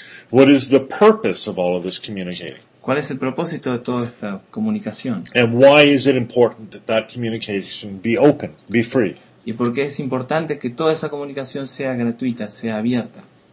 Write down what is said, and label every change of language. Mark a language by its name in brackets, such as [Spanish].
[English] What is the purpose of all of this communicating? [Spanish] ¿Cuál es el propósito de toda esta comunicación? [English] And why is it important that that communication be open, be free? [Spanish] ¿Y por qué es importante que toda esa comunicación sea gratuita, sea abierta?